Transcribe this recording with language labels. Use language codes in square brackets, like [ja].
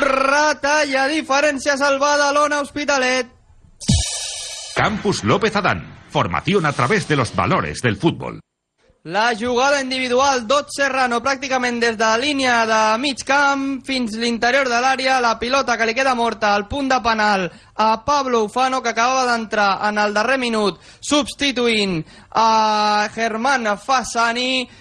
[ca] Retalla, diferència salvada, l'Ona Hospitalet. Campus López Adán. [es] Formación a través de los valores del fútbol. [ca] La jugada individual, Dot Serrano, pràcticament des de la línia de mig camp fins l'interior de l'àrea. La pilota que li queda morta al punt de penal a Pablo Ufano, que acabava d'entrar en el darrer minut substituint a Germán Fasani.